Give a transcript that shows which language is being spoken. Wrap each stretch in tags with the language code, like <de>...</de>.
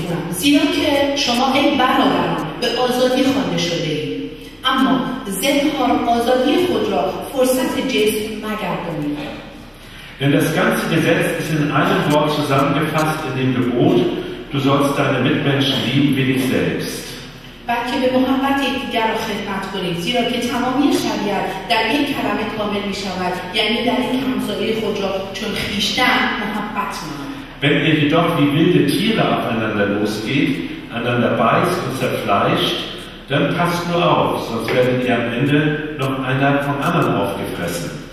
<fa>زیرا که شما ای برادران به آزادی خوانده شده اید. اما زنهار آزادی خود را فرصت جسم مگردانید.</fa> <de>Denn das ganze Gesetz ist in einem Wort zusammengefasst in dem Gebot, du sollst deine Mitmenschen lieben wie dich selbst.</de> <fa>بلکه به محبت یکدیگر خدمت کنید زیرا که تمامی شریعت در یک کلمه کامل می شود یعنی در یک همسایه خود را چون خویشتن محبت نمایید.</fa> <de>Wenn ihr jedoch wie wilde Tiere aufeinander losgeht, einander beißt und zerfleischt, dann passt nur auf, sonst werdet ihr am Ende noch einer vom anderen aufgefressen.</de>